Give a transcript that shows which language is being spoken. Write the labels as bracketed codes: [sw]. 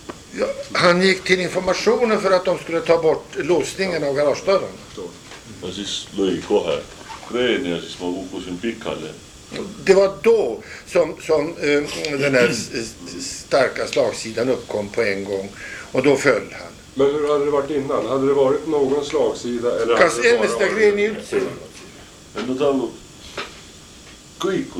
[sv] Ja, han gick till informationen för att de skulle ta bort låsningen av garagedörren. [et] Ja, siis lõi kohe kreeni ja siis ma kukkusin pikali. [sv] Det var då som den här starka slagsidan uppkom på en gång. Och då föll han. Men hur hade det varit innan? Hade det varit någon slagsida? Eller kanske det ämnesna grejen i utsidan. Men då tar Kuiko,